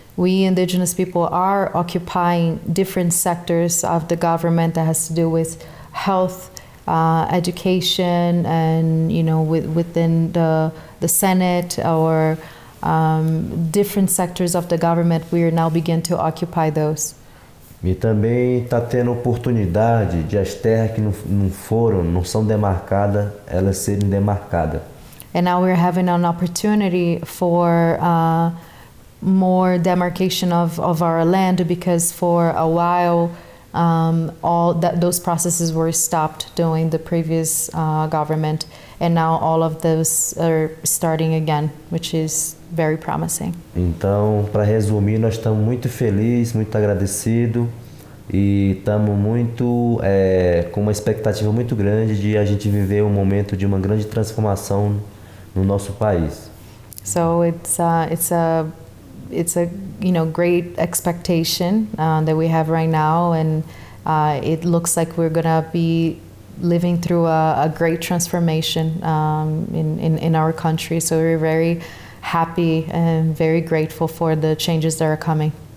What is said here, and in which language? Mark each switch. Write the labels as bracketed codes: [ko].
[en] We indigenous people are occupying different sectors of the government that has to do with health, education, and you know, within the Senate or different sectors of the government. We are now begin to occupy those. [pt] E também está tendo oportunidade de as terras que não são demarcadas, elas serem demarcadas. [en] And now we're having an opportunity for more demarcation of our land, because for a while all those processes were stopped during the previous government, and now all of those are starting again, which is very promising. [pt] Então, para resumir, nós estamos muito felizes, muito agradecidos e estamos muito com uma expectativa muito grande de a gente viver um momento de uma grande transformação no nosso país. [en] So it's a you know, great expectation that we have right now, and it looks like we're gonna be living through a great transformation in our country. So we're very happy and very grateful for the changes that are coming.